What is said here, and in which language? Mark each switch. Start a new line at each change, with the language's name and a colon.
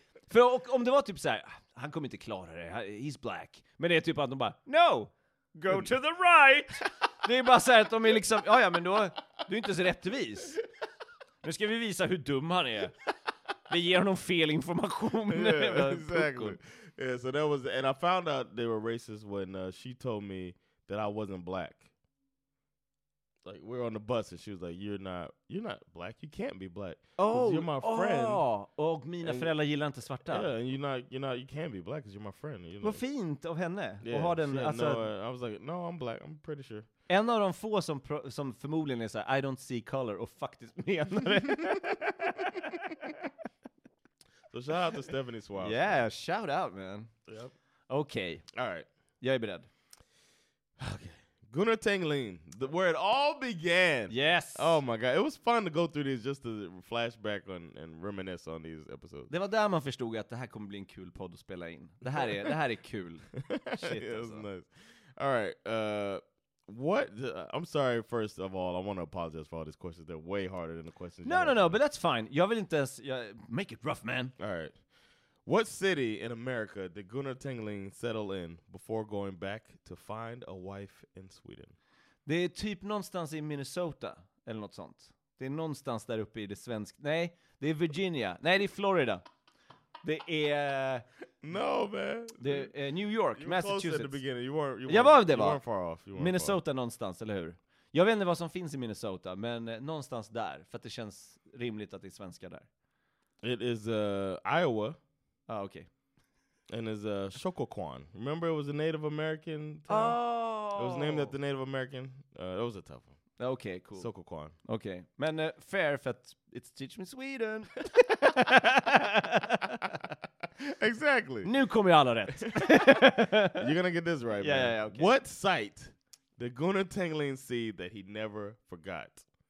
Swedish: För om det var typ så här, han kommer inte klara det,
English: he's black.
Swedish: Men det är typ att de bara,
English: no! Go to the right!
Swedish: Det är bara så här att de är liksom... Ja, men då är inte så rättvis. Nu ska vi visa hur dum han är. Vi ger honom fel information.
English: Yeah, exactly. Yeah, so that was, and I found out they were racist when she told me that I wasn't black. Like, we're on the bus, and she was like, you're not black. You can't be black. Oh, you're my friend.
Swedish: Oh, och mina föräldrar gillar inte svarta.
English: Yeah, and you're not, you can't be black because you're my friend. You're
Swedish: vad like, fint av henne. Yeah, och ha den, alltså,
English: no, I was like, no, I'm black. I'm pretty sure.
Swedish: En av de få som förmodligen är så här,
English: I don't see color,
Swedish: och faktiskt menar det.
English: So shout out to Stephanie Swab. Yeah, shout out, man. Yep. Okay. All right.
Swedish: Jag är beredd.
English: Okay. Gunnar Tengling, where it all began. Yes. Oh my God. It was fun to go through these just to flashback on and reminisce on these episodes.
Swedish: Det var där man förstod att det här kommer bli en kul podd att spela in. Det här är kul. Shit.
English: Yeah,
Swedish: alltså.
English: Nice. All right. What? I'm sorry, first of all, I want to apologize for all these questions. They're way harder than the questions. No, but that's fine.
Swedish: Jag vill inte ens,
English: make it rough, man. All right. What city in America did Gunnar Tengling settle in before going back to find a wife in Sweden?
Swedish: Det är typ någonstans i Minnesota eller något sånt. Det är någonstans där uppe i det svenska. Nej, det är Virginia. Nej, det är Florida. Det är
English: no, man.
Swedish: Det är New York,
English: you Massachusetts. Close at the beginning. You weren't,
Swedish: jag var det,
English: you
Swedish: va?
English: Weren't far off. You
Swedish: Minnesota far någonstans, eller hur? Jag vet inte vad som finns i Minnesota, men någonstans där, för att det känns rimligt att det är svenska där.
English: It is Iowa. Ah, okay. And it's Shokoquan. Remember it was a Native American town? Oh. It was named after the Native American. That was a tough one. Okay, cool. Shokoquan. Okay.
Swedish: Men fair, för att
English: it's teach me Sweden. Exactly.
Swedish: Nu kommer alla rätt.
English: You're going to get this right, yeah, man. Yeah, yeah, okay. What sight did Gunnar Tengling see that he never forgot?